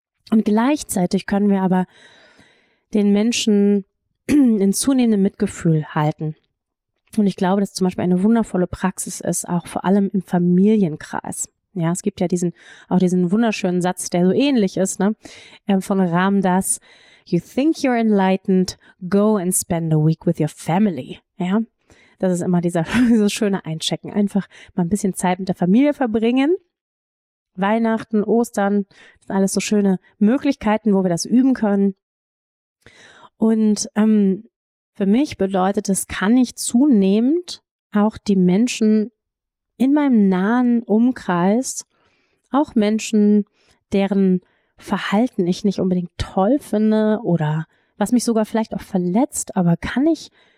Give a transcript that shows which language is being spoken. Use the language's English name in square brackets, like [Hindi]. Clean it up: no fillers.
[German] Und gleichzeitig können wir aber den Menschen in zunehmendem Mitgefühl halten. Und ich glaube, dass zum Beispiel eine wundervolle Praxis ist, auch vor allem im Familienkreis. Ja, es gibt ja diesen wunderschönen Satz, der so ähnlich ist, ne? [English] Von Ram Dass: You think you're enlightened, go and spend a week with your family. [German] Ja, das ist immer dieses schöne Einchecken. Einfach mal ein bisschen Zeit mit der Familie verbringen. Weihnachten, Ostern, das sind alles so schöne Möglichkeiten, wo wir das üben können. Und für mich bedeutet es, kann ich zunehmend auch die Menschen in meinem nahen Umkreis, auch Menschen, deren Verhalten ich nicht unbedingt toll finde oder was mich sogar vielleicht auch verletzt, aber kann ich